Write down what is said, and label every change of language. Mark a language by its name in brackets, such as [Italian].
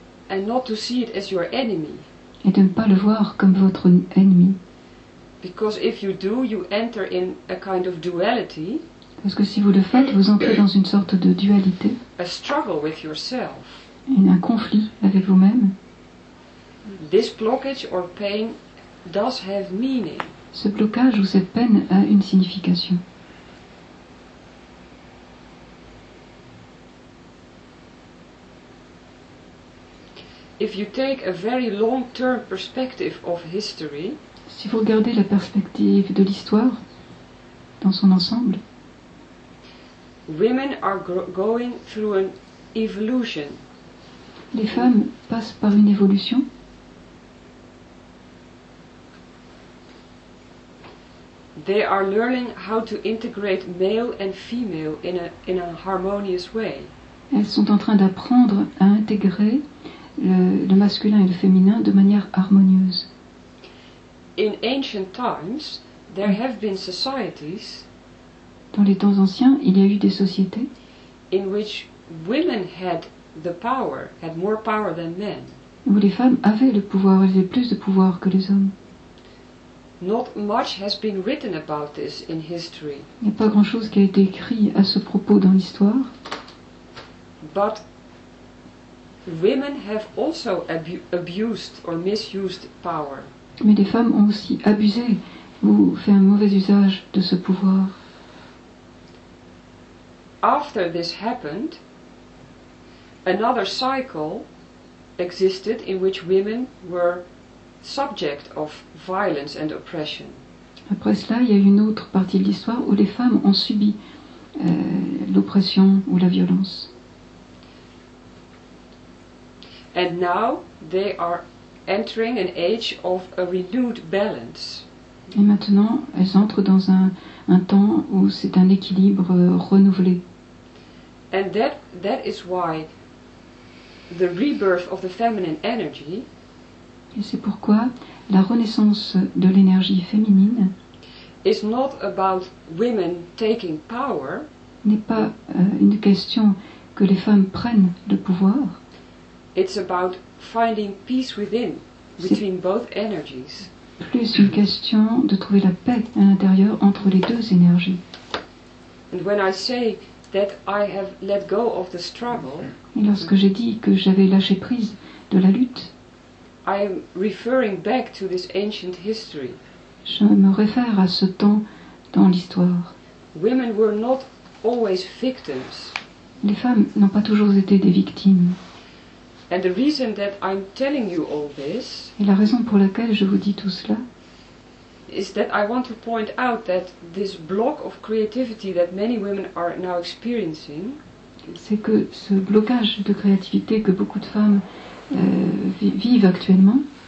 [English] And not to see it as your enemy. [French] Et de ne pas le voir comme votre ennemi. [English] Because if you do, you enter in a kind of duality. [French] Parce que si vous le faites, vous entrez dans une sorte de dualité. [English] A struggle with yourself. [French] Un conflit avec vous-même. [English] This blockage or pain does have meaning. [French] Ce blocage ou cette peine a une signification. [English] If you take a very long-term perspective of history, [French] si vous regardez la perspective de l'histoire dans son ensemble, [English] women are going through an evolution. [French] Les femmes passent par une évolution. [English] They are learning how to integrate male and female in a harmonious way. [French] Elles sont en train d'apprendre à intégrer le masculin et le féminin de manière harmonieuse. [English] In ancient times, there have been societies. [French] Dans les temps anciens, il y a eu des sociétés. [English] In which women had the power, had more power than men. [French] Où les femmes avaient le pouvoir, elles avaient plus de pouvoir que les hommes. [English] Not much has been written about this in history. [French] Il n'y a pas grand-chose qui a été écrit à ce propos dans l'histoire. [English] But women have also abused or misused power. [French] Mais les femmes ont aussi abusé ou fait un mauvais usage de ce pouvoir. [English] After this happened, another cycle existed in which women were subject of violence and oppression. [French] Après cela, il y a une autre partie de l'histoire où les femmes ont subi l'oppression ou la violence. [English] And now they are entering an age of a renewed balance. [French] Et maintenant, elles entrent dans un temps où c'est un équilibre renouvelé. [English] And that is why the rebirth of the feminine energy. [French] Et c'est pourquoi la renaissance de l'énergie féminine [English] is not about women taking power, [French] n'est pas une question que les femmes prennent le pouvoir. [English] It's about finding peace within, between both energies. [French] Plus une question de trouver la paix à l'intérieur entre les deux énergies. [English] And when I say that I have let go of the struggle, [French] et lorsque j'ai dit que j'avais lâché prise de la lutte, [English] I'm referring back to this ancient history. [French] Je me réfère à ce temps dans l'histoire. [English] Women were not always victims. [French] Les femmes n'ont pas toujours été des victimes. [English] And the reason that I'm telling you all this, [French] et la raison pour laquelle je vous dis tout cela, [English] is that I want to point out that this block of creativity that many women are now experiencing, [French] c'est que ce blocage de créativité que beaucoup de femmes vivent actuellement,